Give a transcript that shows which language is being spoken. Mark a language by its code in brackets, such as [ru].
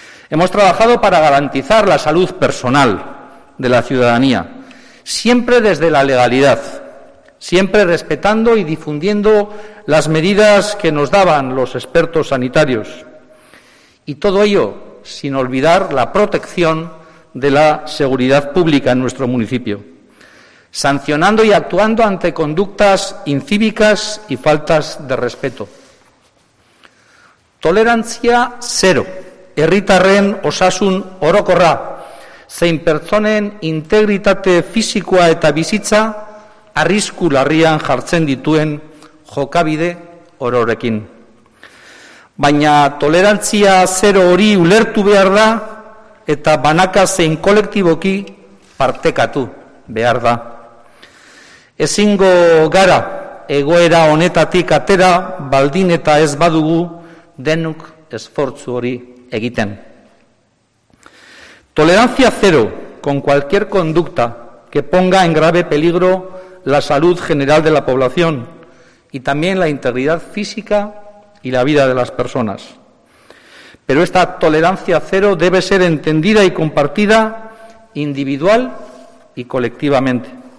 [es] Hemos trabajado para garantizar la salud personal de la ciudadanía, siempre desde la legalidad, siempre respetando y difundiendo las medidas que nos daban los expertos sanitarios, y todo ello sin olvidar la protección de la seguridad pública en nuestro municipio, sancionando y actuando ante conductas incívicas y faltas de respeto. [eu] Tolerantzia zero, herritarren osasun orokorra, zein pertsonen integritate fisikoa eta bizitza arrisku larrian jartzen dituen jokabide ororekin. Baina tolerantzia zero hori ulertu behar da eta banaka zein kolektiboki partekatu behar da. Ezingo gara egoera honetatik atera baldin eta ez badugu denuk esfortzu hori egiten. [es] Tolerancia cero con cualquier conducta que ponga en grave peligro la salud general de la población y también la integridad física y la vida de las personas. Pero esta tolerancia cero debe ser entendida y compartida individual y colectivamente.